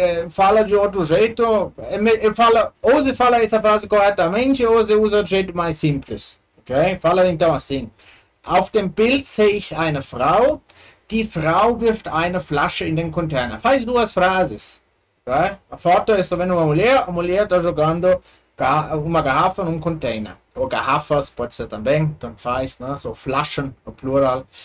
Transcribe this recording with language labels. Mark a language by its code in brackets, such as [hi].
[pt] Fala de outro jeito. Ou você fala essa frase corretamente, ou você usa de jeito mais simples, ok? Fala então assim. [de] Auf dem Bild sehe ich eine Frau, die Frau wirft eine Flasche in den Container. [pt] Faz duas frases, ok? A foto é só vendo a mulher tá jogando uma garrafa num container. Ou garrafas, pode ser também, tanto faz, né? So, Flaschen, no plural.